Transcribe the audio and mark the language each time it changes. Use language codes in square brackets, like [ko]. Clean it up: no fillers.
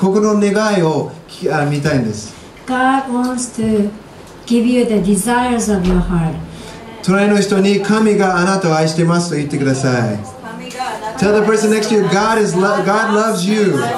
[ja] 神が私たちのお祈りを聞きたい。神が私たちの心の願いを見たいんです。 [en] God wants to give you the desires of your heart. [ja] 隣の人に神があなたを愛していますと言ってください。 [en] Tell the person next to you, God loves you.